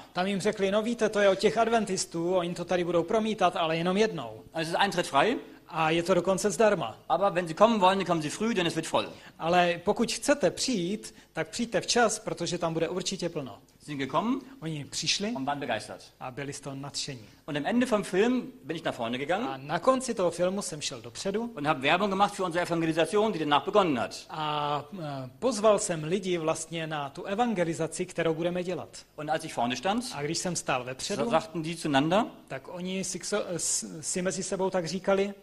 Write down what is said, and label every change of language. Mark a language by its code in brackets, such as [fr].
[cs] Tam jim řekli, no víte, to je od těch adventistů, oni to tady budou promítat, ale jenom jednou. [de] Es ist Eintritt frei. [cs] A je to dokonce zdarma. [de] Aber wenn Sie kommen wollen, kommen Sie früh, denn es wird voll. [cs] Ale pokud chcete přijít, tak přijďte včas, protože tam bude určitě plno. [de] Sie sind gekommen. [cs] Oni přišli. [de] Und waren begeistert. [cs] A byli z toho nadšení. [de] Und am Ende vom Film bin ich nach vorne gegangen. [cs] A na konci toho filmu jsem šel dopředu. [de] Und habe Werbung gemacht für unsere Evangelisation, die danach begonnen hat. [cs] A pozval jsem lidi vlastně na tu evangelizaci, kterou budeme dělat. [de] Und als ich vorne stand, [cs] a když jsem stál vepředu, [de] sagten die zueinander, [cs] tak oni si, si mezi sebou tak říkali,